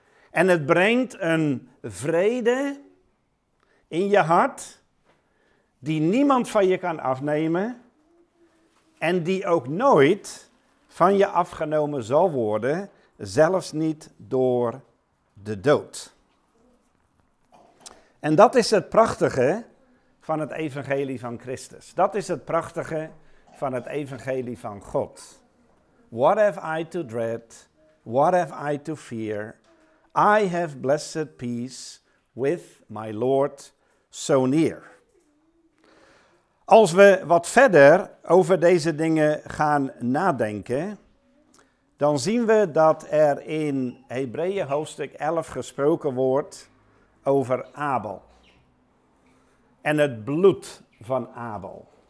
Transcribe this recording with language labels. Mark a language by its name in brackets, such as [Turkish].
[Dutch] En het brengt een vrede in je hart die niemand van je kan afnemen en die ook nooit van je afgenomen zal worden, zelfs niet door de dood. En dat is het prachtige van het evangelie van Christus. Dat is het prachtige van het evangelie van God. [English] What have I to dread? What have I to fear? I have blessed peace with my Lord so near. [Dutch] Als we wat verder over deze dingen gaan nadenken, dan zien we dat er in Hebreeën hoofdstuk 11 gesproken wordt over Abel en het bloed van Abel.